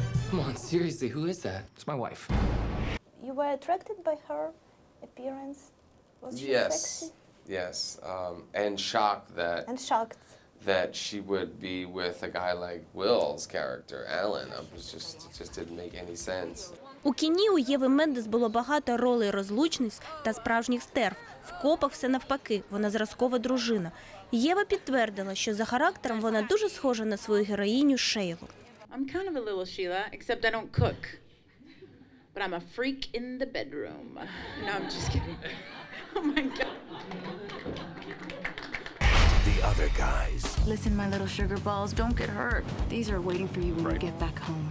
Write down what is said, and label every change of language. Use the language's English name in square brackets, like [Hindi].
[English] Come on, seriously, who is that? It's my wife. You were attracted by her appearance? Was she sexy? Yes, and shocked that... And shocked. ...that she would be with a guy like Will's character, Alan. It was just didn't make any sense. [Ukrainian] У кіні у Єви Мендес було багато ролей розлучниць та справжніх стерв. В копах все навпаки, вона зразкова дружина. Єва підтвердила, що за характером вона дуже схожа на свою героїню Шейлу. [English] I'm kind of a little Sheila, except I don't cook. But I'm a freak in the bedroom. No, I'm just kidding. Oh my God. The other guys. Listen, my little sugar balls, don't get hurt. These are waiting for you when you get back home.